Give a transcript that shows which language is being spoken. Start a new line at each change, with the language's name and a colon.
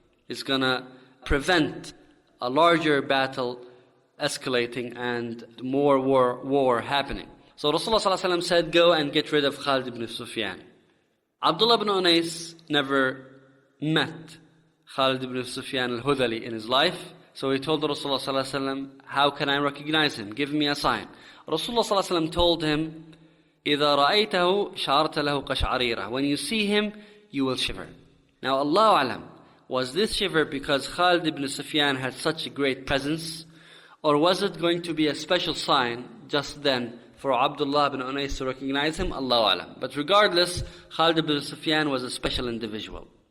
English: It's going to prevent a larger battle escalating and more war happening. So Rasulullah ﷺ said, go and get rid of Khalid ibn Sufyan. Abdullah ibn Unais never met Khalid ibn Sufyan al-Hudali in his life. So he told Rasulullah ﷺ, how can I recognize him? Give me a sign. Rasulullah ﷺ told him,
Arabic: إِذَا رَأَيْتَهُ شَعَرْتَ لَهُ قَشْعَرِيرَ.
English: When you see him, you will shiver. Now Allah alam, was this shiver because Khalid ibn Sufyan had such a great presence? Or was it going to be a special sign just then for Abdullah ibn Unais to recognize him? Allahu alam. But regardless, Khalid ibn Sufyan was a special individual.